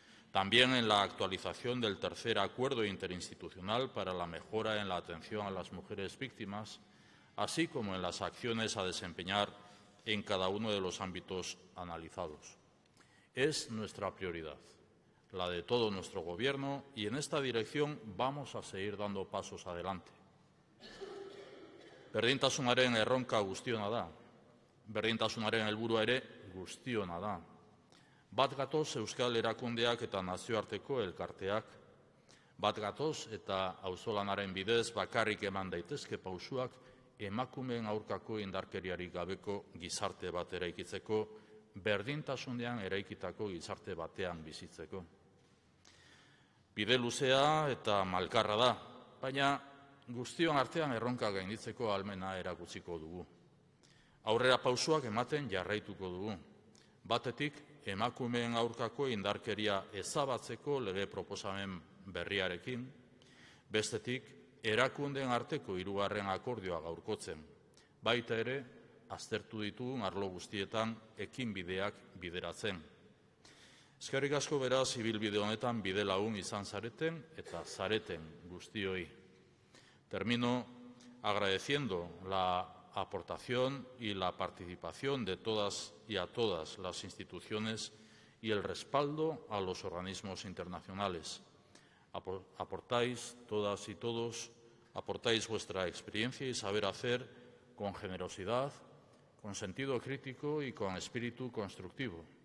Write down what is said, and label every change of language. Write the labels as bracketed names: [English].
[Spanish] También en la actualización del tercer acuerdo interinstitucional para la mejora en la atención a las mujeres víctimas, así como en las acciones a desempeñar en cada uno de los ámbitos analizados. Es nuestra prioridad, la de todo nuestro Gobierno, y en esta dirección vamos a seguir dando pasos adelante. [Basque] Berdintasunaren erronka guztiona da. Berdintasunaren helburua ere guztiona da. Bat gatoz Euskal Erakundeak eta Nazioarteko Elkarteak. Bat gatoz eta auzolanaren bidez bakarrik eman daitezke pausuak emakumeen aurkako indarkeriarik gabeko gizarte bat eraikitzeko, berdintasunean eraikitako gizarte batean bizitzeko. Bide luzea eta malkarra da, baina guztion artean erronka gainditzeko almena erakutsiko dugu. Aurrera pausuak ematen jarraituko dugu. Batetik, emakumeen aurkako indarkeria ezabatzeko lege proposamen berriarekin, bestetik, erakundeen arteko hirugarren akordioa gaurkotzen, baita ere, aztertu ditugun arlo guztietan ekinbideak bideratzen. Eskerrik asko beraz, ibilbide honetan bide lagun izan zareten eta zareten guztioi. [Spanish] Termino agradeciendo la aportación y la participación de todas y a todas las instituciones y el respaldo a los organismos internacionales. Aportáis todas y todos, aportáis vuestra experiencia y saber hacer con generosidad, con sentido crítico y con espíritu constructivo.